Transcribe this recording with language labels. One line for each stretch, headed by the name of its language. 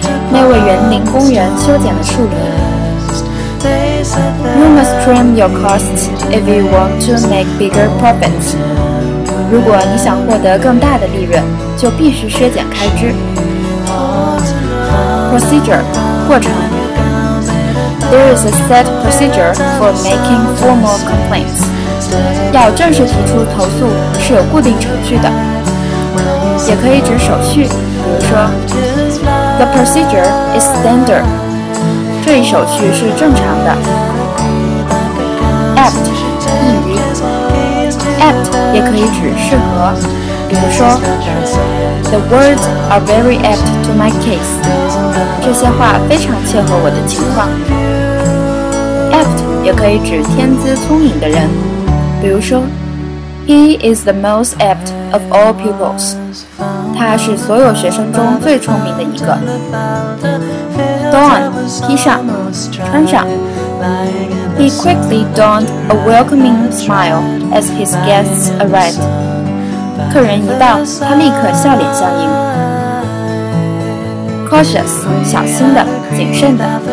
Chinese: 那位园林工人修剪了树林。
English: You must trim your costs if you want to make bigger profits.
Chinese: 如果你想获得更大的利润，就必须削减开支。 Procedure, 过程。
English: There is a set procedure for making formal complaints.
Chinese: 要正式提出投诉是有固定程序的。也可以指手续，比如说
English: The procedure is standard.
Chinese: 这一手续是正常的。Apt, 易于。 Apt 也可以指适合，比如说
English: The words are very apt to my case.
Chinese: 这些话非常切合我的情况。 Apt 也可以指天资聪颖的人，比如说
English: He is the most apt of all pupils.
Chinese: 他是所有学生中最聪明的一个。 Don, 披上，穿上。
English: He quickly donned a welcoming smile as his guests arrived.
Chinese: 客人一到，他立刻笑脸相迎。 Cautious, 小心的，谨慎的。